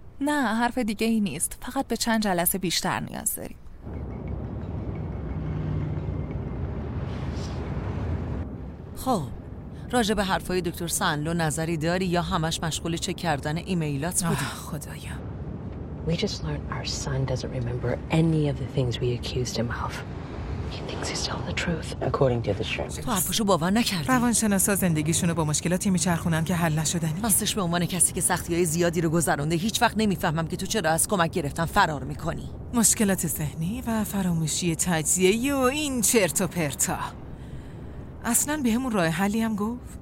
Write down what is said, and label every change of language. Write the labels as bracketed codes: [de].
[fa] نه، حرف دیگه ای نیست، فقط به چند جلسه بیشتر نیاز داریم. خب راجع به حرفای دکتر سنلو نظری داری یا همش مشغول چک کردن ایمیلات بودی؟ خدایا. [en] We just learned our son doesn't remember any of the things we accused him of. He thinks he's telling the truth, according to the sheriff. [fa] تو حرفشو باور نکردی. روانشناسا زندگیشونو با مشکلاتی میچرخونن که حل نشدنی. راستش به عنوان کسی که سختی‌های زیادی رو گذرونده، هیچ وقت نمیفهمم که تو چرا از کمک گرفتن فرار میکنی. مشکلات ذهنی و فراموشی تجزیه‌ای و این چرت و پرتا. اصلاً به همون راه حلی هم گفت؟